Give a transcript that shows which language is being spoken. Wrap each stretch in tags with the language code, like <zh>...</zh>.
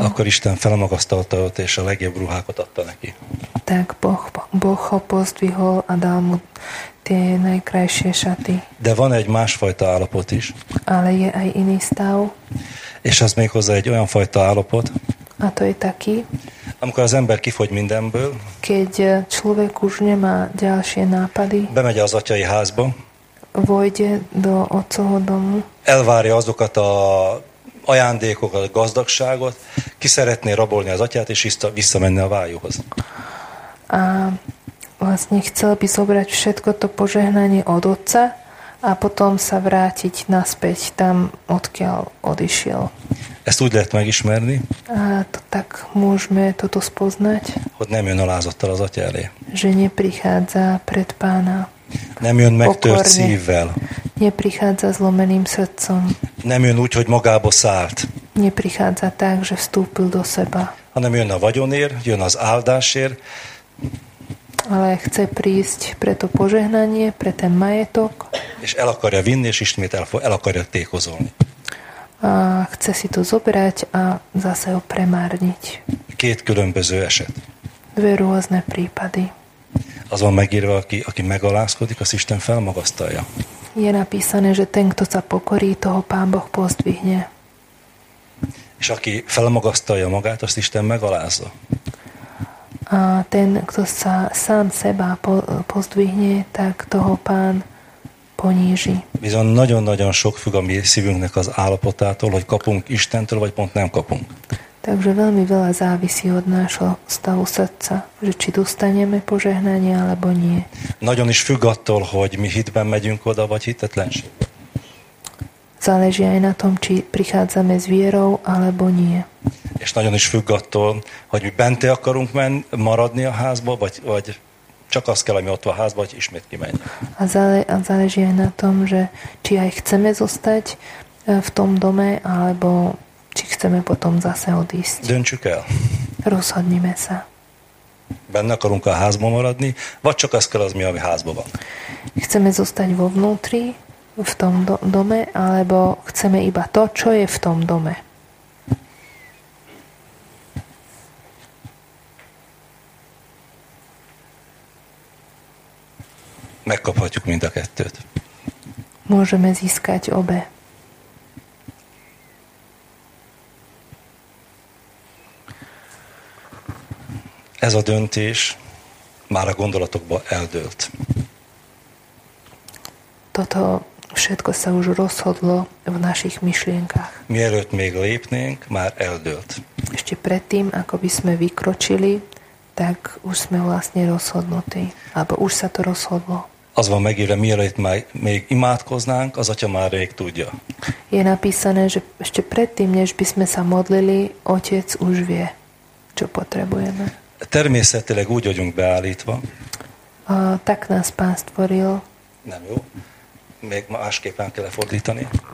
<hu>akkor Isten felmagasztalta őt, és a legjobb ruhákat adta neki.</hu> <sk>Tak Boh ho pozdvihol a dal mu tie najkrajšie šaty.</sk> <hu>De van egy másfajta állapot is.</hu> <sk>Ale je aj iný stav.</sk> <hu>És az még hozzá egy olyan fajta állapot.</hu> <sk>A to je taký.</sk> <hu>Amikor az ember kifogy mindenből.</hu> <sk>Keď človek už nemá ďalšie nápady.</sk> <hu>Bemegy az atyai házba.</hu> <sk>Vojde do otcovho domu.</sk> <hu>Elvárja azokat a ajándékokat, a gazdagságot. Ki szeretné rabolni az atyát, és visszamenni a vájúhoz.</hu> <sk>A vlastne chcel by zobrať všetko to požehnanie od otca a potom sa vrátiť naspäť tam, odkiaľ odišiel.</sk> <hu>Ezt úgy lehet megismerni.</hu> <sk>A to, tak môžeme toto spoznať.</sk> <hu>Hogy nem jön a lázottal az atya elé.</hu> <sk>Že neprichádza pred pána.</sk> <hu>Nem jön megtört szívvel.</hu> <sk>Neprichádza zlomeným srdcom.</sk> <hu>Nem jön úgy, hogy magába szállt.</hu> <sk>Neprichádza tak, že vstúpil do seba.</sk> <hu>Hanem jön a vagyonér, jön az áldásér.</hu> <sk>Ale chce prísť pre to požehnanie, pre ten majetok.</sk> <hu>És el akarja vinni, és ismét el akarja tékozolni.</hu> <sk>A chce si to zobrať a zase ho premárniť.</sk> <hu>Két különböző eset.</hu> <sk>Dve rôzne prípady.</sk> <hu>Az van megírva, aki megalázkodik, az Isten felmagasztalja.</hu> <sk>Je napísané, že ten, kto sa pokorí, toho Pán Boh pozdvihne.</sk> <hu>És aki felmagasztalja magát, azt Isten megalázza.</hu> <sk>A ten, kto sa sám seba pozdvihne, tak toho Pán ponízi.</sk> <hu>Bizony nagyon-nagyon sok függ a mi szívünknek az állapotától, hogy kapunk Istentől, vagy pont nem kapunk.</hu> <sk>Takže veľmi veľa závisí od nášho stavu srdca, že či dostaneme požehnanie, alebo nie.</sk> <hu>Nagyon is függ attól, hogy mi hitben megyünk oda, vagy hitetlenség.</hu> <sk>Záleží aj na tom, či prichádzame s vierou, alebo nie.</sk> <hu>És nagyon is függ attól, hogy mi benté akarunk maradni a házba, vagy csak az kell, ami ott a házba, hogy ismét kimenjünk.</hu> <sk>A záleží aj na tom, že či aj chceme zostať v tom dome, alebo či chceme potom zase odísť.</sk> <hu>Döntsük el.</hu> <sk>Rozhodnime sa.</sk> <hu>Benne akarunk a házba maradni, vagy csak az kell, az mi, ami házba van.</hu> <sk>Chceme zostať vo vnútri, v tom dome, alebo chceme iba to, čo je v tom dome.</sk> <hu>Megkaphatjuk mind a kettőt.</hu> <sk>Môžeme získať obe.</sk> <hu>Ez a döntés már a gondolatokban eldőlt.</hu> <sk>Toto všetko sa už rozhodlo v našich myšlienkách.</sk> <hu>Mielőtt még lépnénk, már eldőlt.</hu> <sk>Ešte predtým, ako by sme vykročili, tak už sme vlastne rozhodnutí. Alebo už sa to rozhodlo.</sk> <hu>Az van megírva, mielőtt még imádkoznánk, az atya már rég tudja.</hu> <sk>Je napísané, že ešte predtým, než by sme sa modlili, otec už vie, čo potrebujeme.</sk> <hu>Természetileg úgy vagyunk beállítva.</hu> <sk>Tak nás pán stvoril.</sk> <hu>Nem jó.</hu> <sk>még másképpen kell fordítani.</sk>